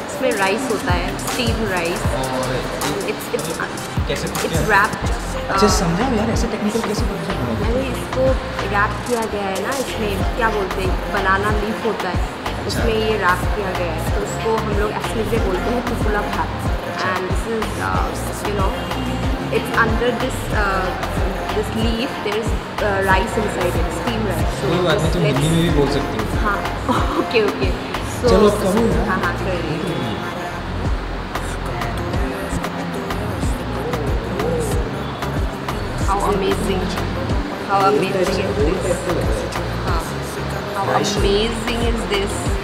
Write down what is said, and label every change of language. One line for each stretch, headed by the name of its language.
Hindi: इसमें राइस होता है,
English: Steam rice.
Hindi: और
English: It's wrapped.
Hindi: अच्छा समझा यार, ऐसे टेक्निकल कैसे बनाते हैं? अरे इसको रैप किया गया है ना, इसमें क्या बोलते हैं,
English: banana leaf
Hindi: होता है, उसमें ये रैप किया गया है, तो उसको हम लोग एक्चुअली बोलते हैं टुकुला भात।
English: And this is you know, it's under this this leaf, there is rice inside it, steam rice.
Hindi: So बात तो हिंदी में भी बोल सकती हूँ। हाँ, ओके ओके, सो चलो अब कहूँ। हाँ हाँ, कर रही हूँ।
English: how amazing is this,